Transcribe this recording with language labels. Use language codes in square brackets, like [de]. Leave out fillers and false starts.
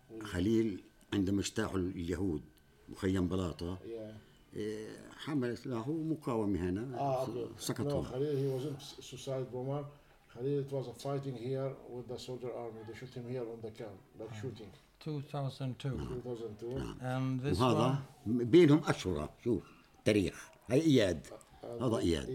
[ar] خليل عندما اجتاحوا اليهود مخيم بلاطة حمل سلاحه مقاومة هنا سقطوا [en] خليل he was a suicide bomber خليل it was a fighting here with the soldier army they shoot him here on the camp like shooting 2002 and this one [ar] بينهم أشهر شوف تاريخ هاي إياد هذا إياد